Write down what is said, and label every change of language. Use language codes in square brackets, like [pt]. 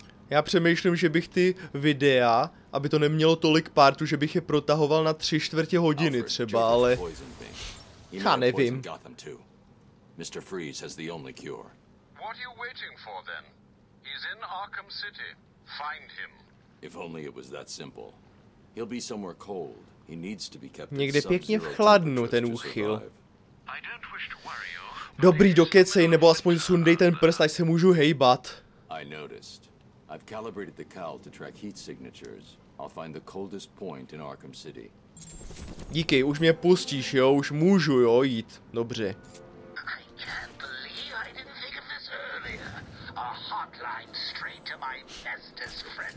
[cs] Já přemýšlím, že bych ty videa, aby to nemělo tolik partů, že bych je protahoval na 3/4 hodiny třeba, ale... Já nevím. [en] Mr. Freeze has the only cure. What are you waiting for then? He's in Arkham City. Find him. If only it was that simple. He'll be somewhere cold. He needs to be kept [cs] in někde pěkně v chladnu ten úchyl. [en] I don't wish to worry you. [cs] Dobrý, dokecej, nebo aspoň sundej ten prst, až se můžu hejbat. [en] I noticed. I've calibrated the cowl to track heat signatures. I'll find the coldest point in Arkham City. [cs] Díky, už mě pustíš, jo, už můžu, jo, jít. Dobře. [en] I can't believe I didn't think of this earlier. A hotline straight to my bestest friend.